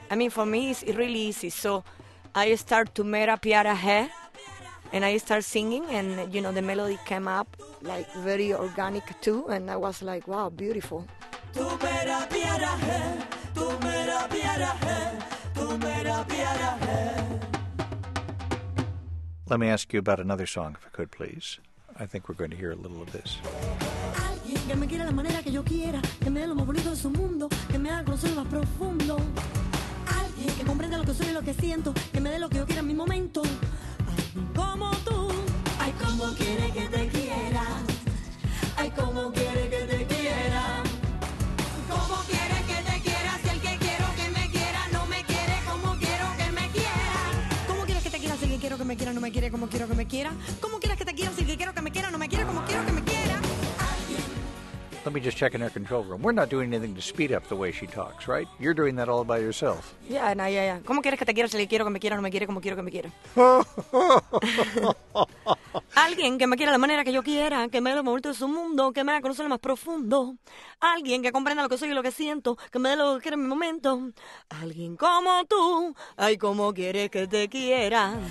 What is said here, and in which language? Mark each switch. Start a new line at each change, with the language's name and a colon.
English: I mean, for me, it's really easy. So I start to
Hindi: mera piara he,
English: and I start singing, and, you know, the melody came up, like, very organic, too, and I was like, wow, beautiful.
Hindi: Tu mera piara he, tu mera piara he, tu mera piara he.
English: Let me ask you about another song, if I could, please. I think we're going to hear a little of this.
Spanish: Que me quiera la manera que yo quiera, que me dé lo más bonito de su mundo, que me haga conocer lo más profundo. Alguien que comprenda lo que soy y lo que siento, que me dé lo que yo quiera en mi momento. Alguien como tú. Ay, como quiere que te quiera. Ay, como quiere que te quiera. Como quiere que te quiera. Si el que quiero que me quiera no me quiere, como quiero que me quiera. Como quieres que te quiera. Si el que quiero que me quiera no me quiere, como quiero que me quiera. Como quieres que te quiera. Si el que quiero que me quiera no me quiere, como quiero que me quiera.
English: Let me just check in our control room. We're not doing anything to speed up the way she talks, right? You're doing that all by yourself. Yeah, no, yeah, yeah.
Spanish: ¿Cómo quieres que te quiera si le quiero que me quiera no me quiere como quiero que me quiera? Alguien que me quiera de la manera que yo quiera, que me dé lo más bonito de su mundo, que me haga conocer lo más profundo. Alguien que comprenda lo que soy y lo que siento, que me dé lo que quiera en mi momento. Alguien como tú, ay, como quieres que te quiera.